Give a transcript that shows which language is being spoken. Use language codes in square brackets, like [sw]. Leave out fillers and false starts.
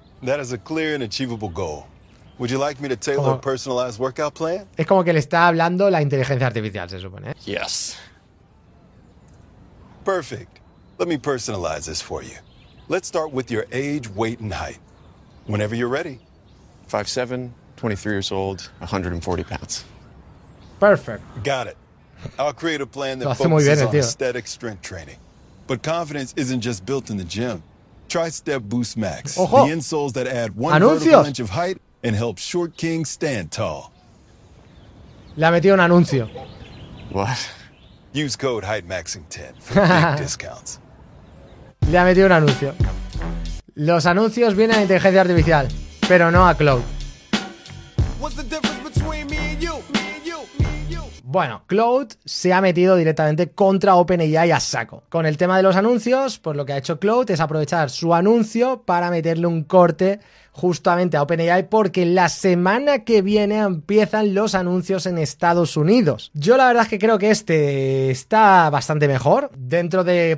[en] That is a clear and achievable goal. Would you like me to tailor a personalized workout plan? [es] Es como que le está hablando la inteligencia artificial, se supone. [en] Yes. Perfect. Let me personalize this for you. Let's start with your age, weight, and height. Whenever you're ready. 5'7", 23 years old, 140 pounds. Perfect. Got it. I'll create a plan that focuses on aesthetic strength training. But confidence isn't just built in the gym. Try Step Boost Max. [es] Ojo. [en] The insoles that add one vertical inch of height and help short kings stand tall. [es] Le ha metido un anuncio. [en] What? Use code HEIGHTMAXING10 for big discounts. [es] Le ha metido un anuncio. Los anuncios vienen a inteligencia artificial, pero no a Cloud. [en] What's the difference between me and you? [es] Bueno, Cloud se ha metido directamente contra OpenAI a saco. Con el tema de los anuncios, pues lo que ha hecho Cloud es aprovechar su anuncio para meterle un corte justamente a OpenAI, porque la semana que viene empiezan los anuncios en Estados Unidos. Yo la verdad es que creo que este está bastante mejor. Dentro de...